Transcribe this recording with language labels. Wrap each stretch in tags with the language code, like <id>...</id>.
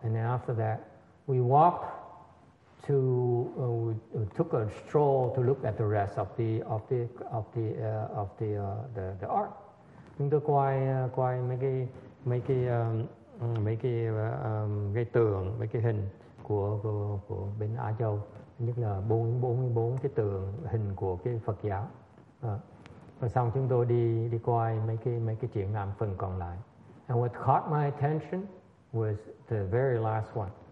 <en>And then after that, we walked to, we took a stroll to look at the rest of the art.</en> <vi>Chúng tôi quay mấy cái tường, mấy cái hình của bên Á Châu, nhất là 44 cái tượng hình của cái Phật giáo. Và xong chúng tôi đi coi mấy cái triển lãm phần còn lại.</vi> <en>And what caught my attention was the very last one.</en>